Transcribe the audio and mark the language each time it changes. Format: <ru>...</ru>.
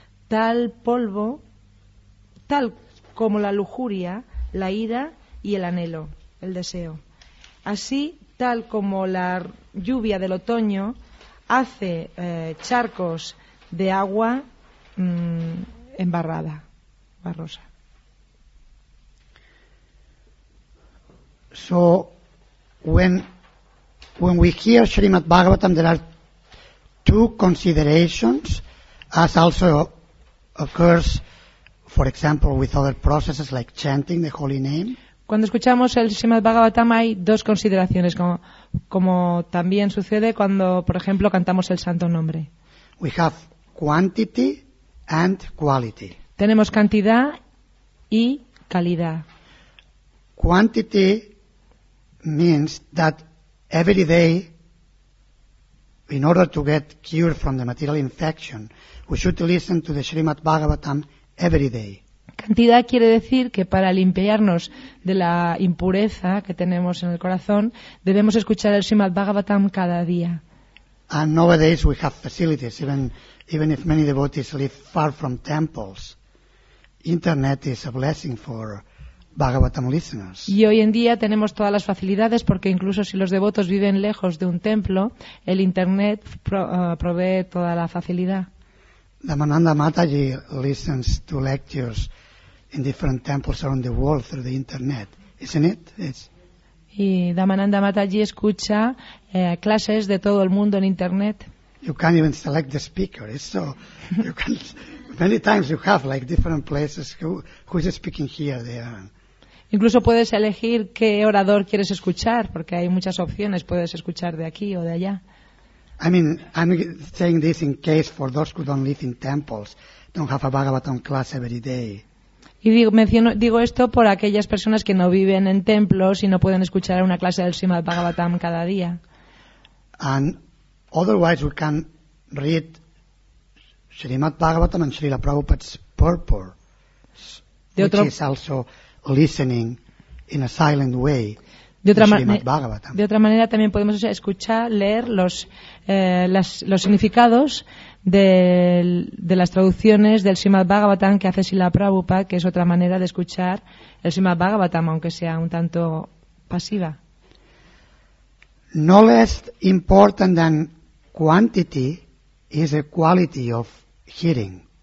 <es>Tal polvo, tal como la lujuria, la ira y el anhelo, el deseo. Así, tal como la lluvia del otoño hace charcos de agua embarrada, barrosa.</es> <en>So, when we hear Srimad Bhagavatam, there are two considerations, as also occurs For example, with other processes like chanting the holy name.</en> <es>Cuando escuchamos el Srimad Bhagavatam hay dos consideraciones, como también sucede cuando, por ejemplo, cantamos el santo nombre.</es> <en>We have quantity and quality.</en> <es>Tenemos cantidad y calidad.</es> <en>Quantity means that every day, in order to get cured from the material infection, we should listen to the Srimad Bhagavatam every day.</en> <es>Cantidad quiere decir que para limpiarnos de la impureza que tenemos en el corazón, debemos escuchar el Srimad Bhagavatam cada día.</es> <en>And nowadays we have facilities, even if many devotees live far from temples. Internet is a blessing for Bhagavatam listeners.</en> <es>Y hoy en día tenemos todas las facilidades porque incluso si los devotos viven lejos de un templo, el Internet provee toda la facilidad.</es> <en>Dhammananda Mataji listens to lectures in different temples around the world through the Internet, isn't it? It's...</en> <es>Y Dhammananda Mataji escucha clases de todo el mundo en Internet.</es> <en>You can't even select the speaker, so you can. Many times you have like different places who is speaking here, there.</en> <es>Incluso puedes elegir qué orador quieres escuchar, porque hay muchas opciones. Puedes escuchar de aquí o de allá.</es> <en>I mean, I'm saying this in case for those who don't live in temples, don't have a Bhagavatam class every day.</en> <es>Y digo esto por aquellas personas que no viven en templos y no pueden escuchar una clase del Srimad Bhagavatam cada día.</es> <en>And otherwise we can read Srimad Bhagavatam and Srila Prabhupada's purport, which is also listening in a silent way.</en> <es>De otra manera también podemos escuchar, leer los significados de las traducciones del Srimad Bhagavatam que hace Srila Prabhupada, que es otra manera de escuchar el Srimad Bhagavatam, aunque sea un tanto pasiva.</es> <en>No less important than quantity is the quality of hearing.</en>